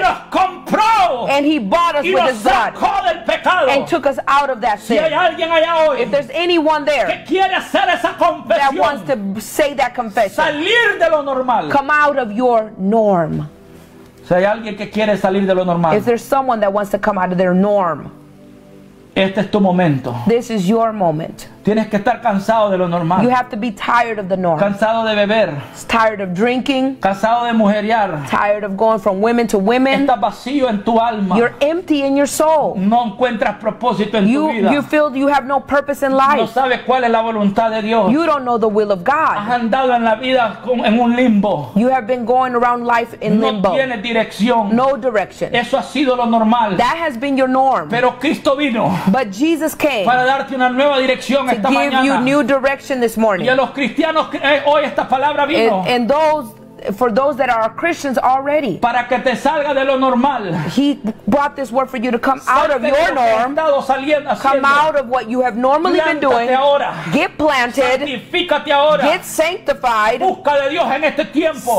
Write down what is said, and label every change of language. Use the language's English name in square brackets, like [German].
[Spanish] Y nos compró. [English] And he bought us [Spanish] y [English] with his blood. [Spanish] Del pecado. [English] And took us out of that sin. [Spanish] Si hay alguien allá hoy, [English] if there's anyone there [Spanish] que quiere hacer esa confesión, [English] that wants to say that confession, [Spanish] salir de lo normal. [English] Come out of your norm. [Spanish] Si hay alguien que quiere salir de lo normal. [English] Is there someone that wants to come out of their norm? [Spanish] Este es tu momento. [English] This is your moment. [Spanish] Tienes que estar cansado de lo normal. [English] You have to be tired of the norm. [Spanish] Cansado de beber. [English] It's tired of drinking. [Spanish] Cansado de mujeriar. [English] Tired of going from women to women. [Spanish] Estás vacío en tu alma. [English] You're empty in your soul. [Spanish] No encuentras propósito en tu vida. [English] You feel you have no purpose in life. [Spanish] No sabes cuál es la voluntad de Dios. [English] You don't know the will of God. [Spanish] Has andado en la vida en un limbo. [English] You have been going around life in limbo. [Spanish] No tienes dirección. [English] No direction. [Spanish] Eso ha sido lo normal. [English] That has been your norm. [Spanish] Pero Cristo vino. [English] But Jesus came. [Spanish] Para darte una nueva dirección. [English] To give you new direction this morning. [Spanish] Y a los cristianos, hoy esta palabra vino. [English] And those, for those that are Christians already, [Spanish] para que te salga de lo normal. [English] He brought this word for you to come out of your norm, come out of what you have normally been doing, [Spanish] ahora. [English] Get planted, [Spanish] santifícate ahora. [English] Get sanctified, [Spanish] busca de Dios en este tiempo.